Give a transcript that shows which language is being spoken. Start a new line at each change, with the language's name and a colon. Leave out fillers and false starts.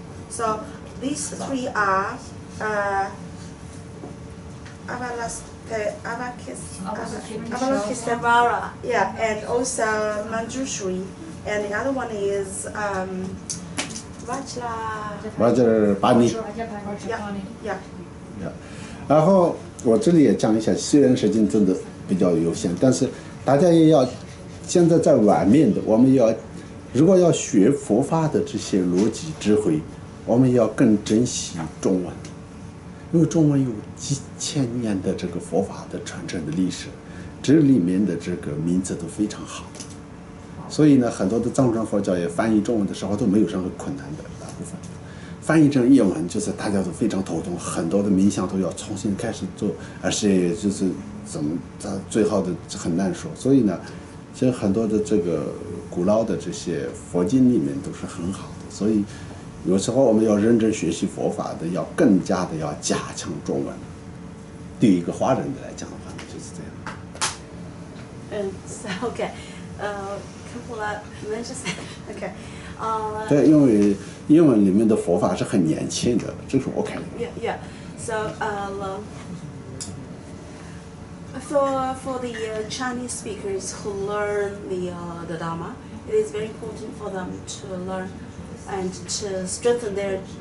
English: So these three are Avalokiteshvara, yeah, and also Manjushri, and the other one is Vajrapani. Yeah.
Chinese: 然后我这里也讲一下，虽然时间真的比较有限，但是大家也要现在在外面的，我们要如果要学佛法的这些逻辑智慧，我们要更珍惜中文，因为中文有几千年的这个佛法的传承的历史，这里面的这个名字都非常好，所以呢，很多的藏传佛教也翻译中文的时候都没有任何困难的，大部分翻译成英文就是大家都非常头痛，很多的名相都要重新开始做，而且就是怎么最后的很难说，所以呢，其实很多的这个古老的这些佛经里面都是很好的，所以有时候我们要认真学习佛法的，要更加的要加强中文。对于一个华人的来讲的话呢，就是这样。
English: And so, okay, Khenpo,
Chinese: okay. 对，因为英文里面的佛法是很年轻的，这是我看的。
English: Yeah, yeah. So, For the Chinese speakers who learn the Dharma, it is very important for them to learn and to strengthen their